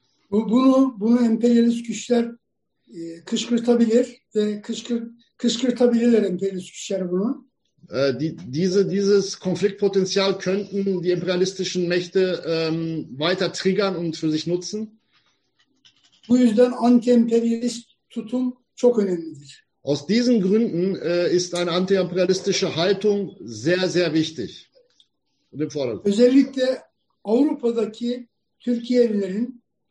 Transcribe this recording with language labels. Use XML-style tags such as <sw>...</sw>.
<tr>Bunu emperyalist güçler kışkırtabilir ve kışkırtabilirler emperyalist güçler bunu.</tr> <de>Dieses Konfliktpotenzial könnten die imperialistischen Mächte weiter triggern und für sich nutzen.</de> <tr>Bu yüzden anti-imperialist tutum çok önemlidir.</tr> <de>Aus diesen Gründen ist eine anti-imperialistische Haltung sehr, sehr wichtig. Und im Vordergrund.</de> <tr>Özellikle Avrupa'daki Türkiyelilerin,</tr>